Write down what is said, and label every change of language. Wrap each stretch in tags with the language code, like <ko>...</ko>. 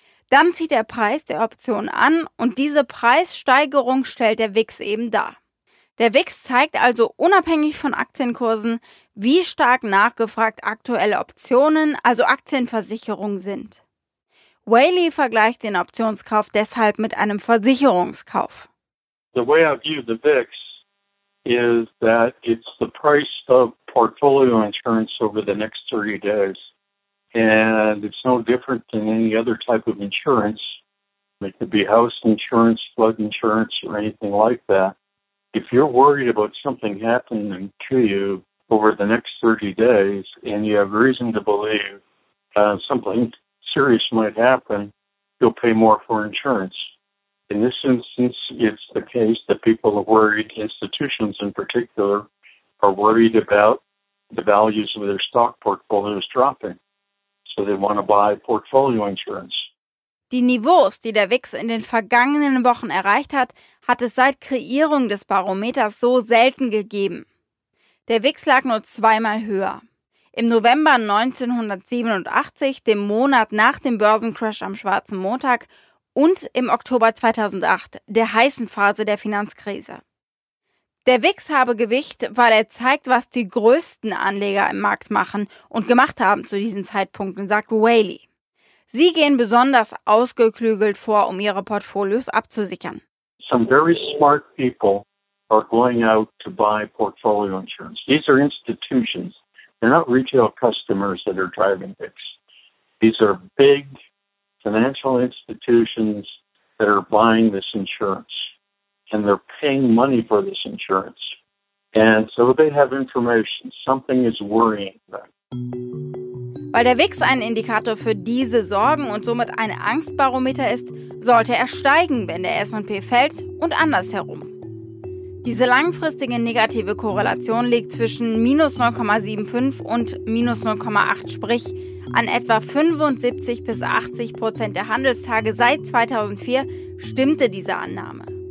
<de>Dann zieht der Preis der Option an und diese Preissteigerung stellt der VIX eben dar. Der VIX zeigt also unabhängig von Aktienkursen, wie stark nachgefragt aktuelle Optionen, also Aktienversicherungen, sind. Whaley vergleicht den Optionskauf deshalb mit einem Versicherungskauf.</de> <en>The way I view the VIX is that it's the price of portfolio insurance over the next 30 days. And it's no different than any other type of insurance. It could be house insurance, flood insurance, or anything like that. If you're worried about something happening to you over the next 30 days, and you have reason to believe something serious might happen, you'll pay more for insurance. In this instance, it's the case that people are worried, institutions in particular, are worried about the values of their stock portfolios dropping. So they want to buy portfolio insurance.</en> <de>Die Niveaus, die der VIX in den vergangenen Wochen erreicht hat, hat es seit Kreierung des Barometers so selten gegeben. Der VIX lag nur 2-mal höher. Im November 1987, dem Monat nach dem Börsencrash am Schwarzen Montag, und im Oktober 2008, der heißen Phase der Finanzkrise. Der VIX habe Gewicht, weil er zeigt, was die größten Anleger im Markt machen und gemacht haben zu diesen Zeitpunkten, sagt Whaley. Sie gehen besonders ausgeklügelt vor, um ihre Portfolios abzusichern.</de> <en>Some very smart people are going out to buy portfolio insurance. These are institutions. They're not retail customers that are driving VIX. These are big financial institutions that are buying this insurance. And they're paying money for this insurance. And so they have information. Something is worrying them.</en> <de>Weil der VIX ein Indikator für diese Sorgen und somit ein Angstbarometer ist, sollte er steigen, wenn der S&P fällt und andersherum. Diese langfristige negative Korrelation liegt zwischen -0,75 und -0,8, sprich an etwa 75-80% der Handelstage seit 2004 stimmte diese Annahme.</de>